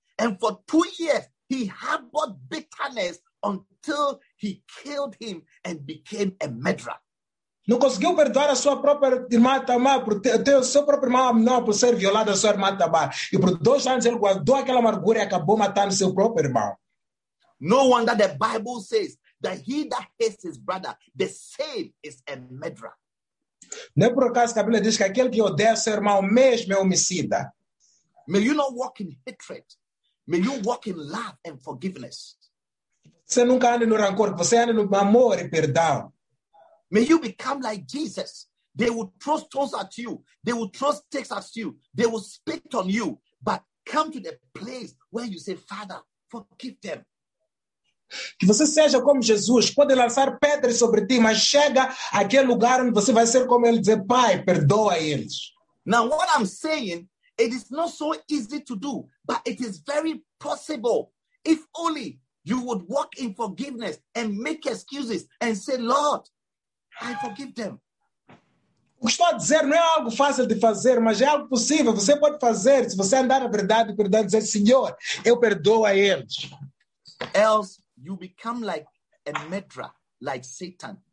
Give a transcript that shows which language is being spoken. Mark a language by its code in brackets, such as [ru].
[en] And for 2 years, he harbored bitterness until he killed him and became a murderer. [pt] Não conseguiu perdoar a sua própria irmã Tamar, por ter o seu próprio irmão Amnon por ser violado a sua irmã Tamar. E por 2 anos ele guardou aquela amargura e acabou matando seu próprio irmão. [en] No wonder the Bible says that he that hates his brother, the same is a murderer. [pt] Não é por acaso que a Bíblia diz que aquele que odeia seu irmão mesmo é homicida. [en] May you not walk in hatred. May you walk in love and forgiveness. [pt] Você nunca ande no rancor, você ande no amor e perdão. [en] May you become like Jesus. They will throw stones at you. They will throw sticks at you. They will spit on you. But come to the place where you say, Father, forgive them. [pt] Que você seja como Jesus, pode lançar pedras sobre ti, mas chega àquele lugar onde você vai ser como ele, dizer, Pai, perdoa eles. [en] Now, what I'm saying, it is not so easy to do, but it is very possible. If only you would walk in forgiveness and make excuses and say, Lord, I forgive them. [pt] O que estou a dizer não é algo fácil de fazer, mas é algo possível. Você pode fazer, se você andar na verdade e perdão, dizer, Senhor, eu perdoo a eles. [en] Else, you become like a murderer, like Satan.